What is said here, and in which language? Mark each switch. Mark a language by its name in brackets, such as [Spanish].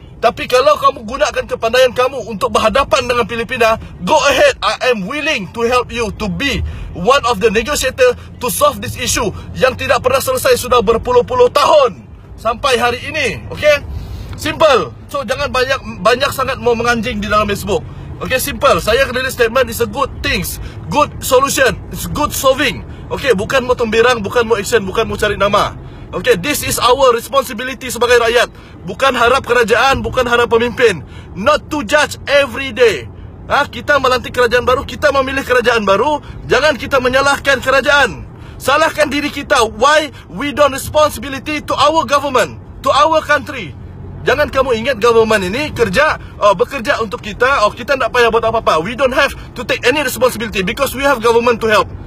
[Malay] Tapi kalau kamu gunakan kepandaian kamu untuk berhadapan dengan Filipina, [English] go ahead, I am willing to help you to be one of the negotiator to solve this issue [Malay] yang tidak pernah selesai sudah berpuluh-puluh tahun sampai hari ini, okay? Simple. So jangan banyak sangat mau menganjing di dalam Facebook. Okay, simple. Saya rilis [English] statement is a good things, good solution, it's good solving. [Malay] Okay, bukan mau tembirang, bukan mau action, bukan mau cari nama. Okay, [English] this is our responsibility [Malay] sebagai rakyat. Bukan harap kerajaan, bukan harap pemimpin. [English] Not to judge every day. [Malay] Kita melantik kerajaan baru, kita memilih kerajaan baru. Jangan kita menyalahkan kerajaan. Salahkan diri kita. [English] Why we don't responsibility to our government, to our country? [Malay] Jangan kamu ingat government ini bekerja untuk kita. Oh, kita tak payah buat apa-apa. [English] We don't have to take any responsibility because we have government to help.